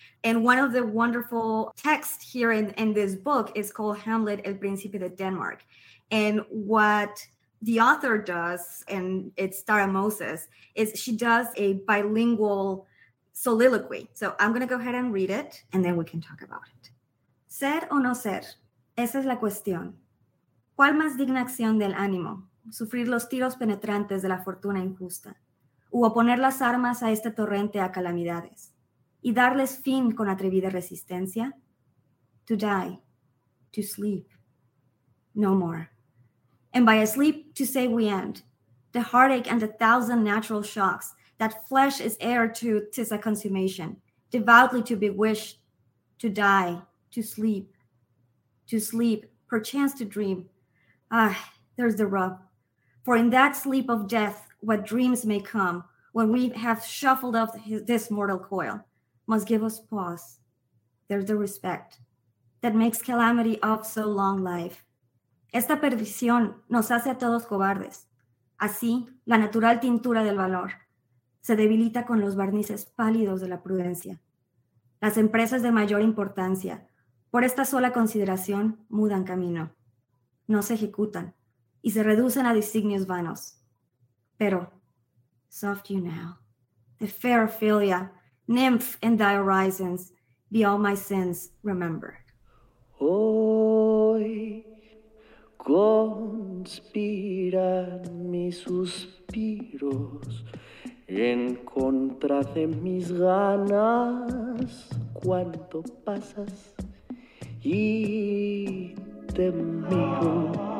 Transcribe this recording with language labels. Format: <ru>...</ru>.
<en>And one of the wonderful texts here in this book is called Hamlet, El Príncipe de Denmark. And what the author does, and it's Tara Moses, is she does a bilingual soliloquy. So I'm going to go ahead and read it, and then we can talk about it.</en> <es>Ser o no ser, esa es la cuestión. ¿Cuál más digna acción del ánimo? Sufrir los tiros penetrantes de la fortuna injusta, u oponer las armas a este torrente a calamidades, y darles fin con atrevida resistencia?</es> <en>To die, to sleep, no more. And by asleep, to say we end. The heartache and the thousand natural shocks, that flesh is heir to 'tis a consummation, devoutly to be wished, to die, to sleep, perchance to dream. Ah, there's the rub. For in that sleep of death, what dreams may come, when we have shuffled off this mortal coil, must give us pause. There's the respect that makes calamity of so long life.</en> <es>Esta perdición nos hace a todos cobardes. Así, la natural tintura del valor se debilita con los barnices pálidos de la prudencia. Las empresas de mayor importancia, por esta sola consideración, mudan camino. No se ejecutan y se reducen a designios vanos. Pero,</es> <en>soft you now, the fair Ophelia, nymph in thy horizons, be all my sins remembered.</en> <es>Hoy conspiran mis suspiros en contra de mis ganas cuando pasas y te miro</es>